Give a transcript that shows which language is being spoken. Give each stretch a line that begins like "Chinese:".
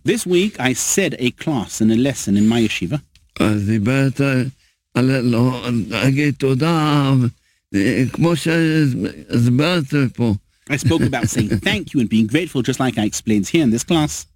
English: This week I said a class and a lesson in my yeshiva.
Hebrew: אז דיברת על להגיד תודה, כמו שהסברת פה.
English: I spoke about saying thank you and being grateful, just like I explained here in this class.